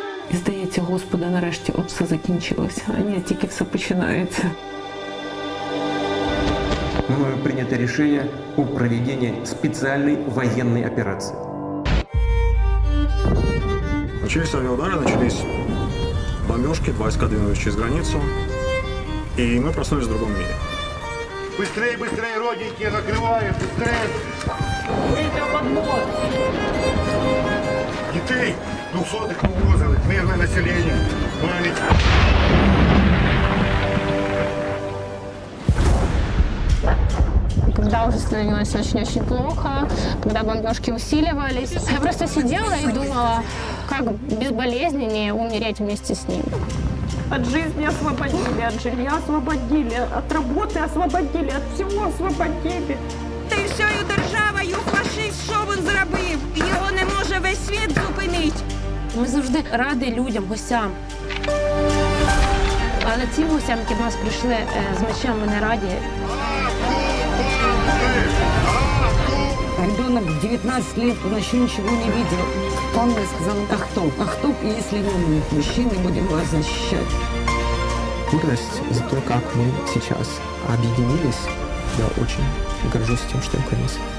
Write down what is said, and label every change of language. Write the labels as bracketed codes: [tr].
[uk] І здається, Господи, нарешті от все закінчилося. А ні, тільки все починається. [ru] Мною прийнято рішення у проведенні спеціальної воєнної операції. [uk] Почалися вони удари, почалися бомбежки, два ескадрильовища через границю. [ru] И мы проснулись в другом мире. Быстрее, быстрее, родненькие, закрываем, быстрее! Выйдем под мост! людей. 200 их увозили. Мирное население. Память. Когда уже становилось очень-очень плохо, когда бомбежки усиливались, я просто сидела и думала, как безболезненнее умереть вместе с ним. От жизни освободили, от жилья освободили, от работы освободили, от всего освободили. [uk] Та й всею державою фашист, що він зробив? Його не може весь світ зупинити. Ми завжди раді людям, гостям. Але ці гості, які до нас прийшли з мечами, не раді. [ru] Ребенок 19 лет, он еще ничего не видел. Он мне сказал, а кто, если мы мужчины будем вас защищать? Гордость за то, как мы сейчас объединились, я очень горжусь тем, что я украинец.